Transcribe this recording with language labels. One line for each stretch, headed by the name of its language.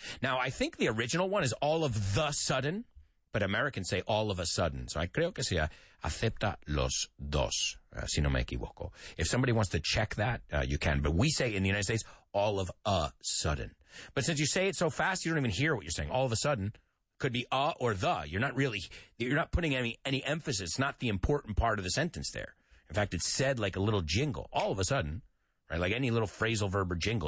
English: Now, I think the original one is all of the sudden. But Americans say all of a sudden.
Spanish: So I creo que sea acepta los dos, si no me equivoco.
English: If somebody wants to check that, you can. But we say in the United States, all of a sudden. But since you say it so fast, you don't even hear what you're saying. All of a sudden could be a or the. You're not putting any emphasis. It's not the important part of the sentence there. In fact, it's said like a little jingle. All of a sudden, right? Like any little phrasal verb or jingle.